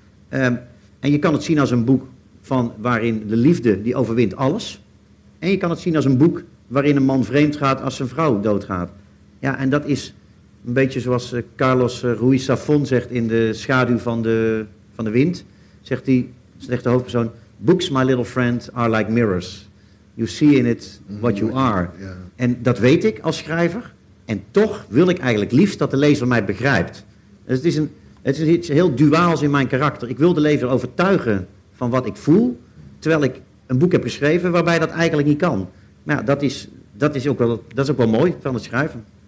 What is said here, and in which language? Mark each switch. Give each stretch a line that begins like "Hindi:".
Dutch: En je kan het zien als een boek waarin de liefde, die overwint alles. En je kan het zien als een boek waarin een man vreemd gaat als zijn vrouw doodgaat. Ja, en dat is een beetje zoals Carlos Ruiz Zafón zegt in De Schaduw van de Wind. Zegt de hoofdpersoon,
English: books, my little friend, are like mirrors. You see in it what you are.
Dutch: Ja. En dat weet ik als schrijver. En toch wil ik eigenlijk liefst dat de lezer mij begrijpt. Dus het is iets heel duaals in mijn karakter. Ik wil de lezer overtuigen van wat ik voel, terwijl ik een boek heb geschreven waarbij dat eigenlijk niet kan. Maar ja, dat is ook wel mooi van het schrijven.